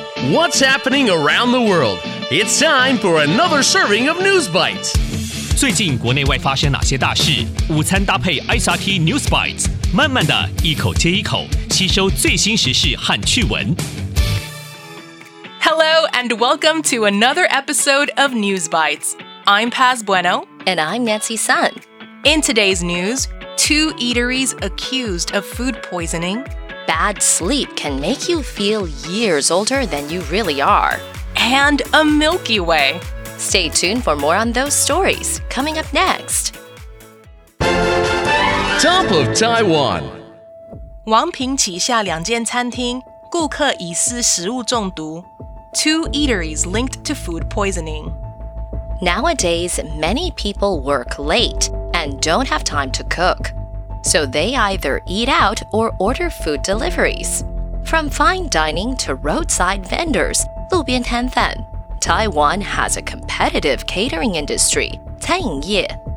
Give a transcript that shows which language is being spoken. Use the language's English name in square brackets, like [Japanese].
[English] What's happening around the world? It's time for another serving of News Bites. [Chinese] 最近国内外发生哪些大事？午餐搭配 SRT News Bites， 慢慢的一口接一口，吸收最新时事和趣闻。 [English] Hello and welcome to another episode of News Bites. I'm Paz Bueno. And I'm Nancy Sun. In today's news, two eateries accused of food poisoning. Bad sleep can make you feel years older than you really are. And a Milky Way. Stay tuned for more on those stories, coming up next. Top of Taiwan. [Chinese] 王平旗下两间餐厅顾客疑似食物中毒。 [English] Two eateries linked to food poisoning. Nowadays, many people work late and don't have time to cook. So they either eat out or order food deliveries. From fine dining to roadside vendors, 路边摊贩, Taiwan has a competitive catering industry, 餐饮业.